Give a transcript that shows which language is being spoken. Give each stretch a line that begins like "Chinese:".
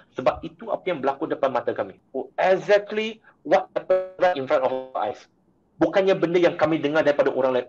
Malay: Sebab itu apa yang berlaku depan mata kami.
English: Exactly what happened in front of our eyes.
Malay: Bukannya benda yang kami dengar daripada orang lain.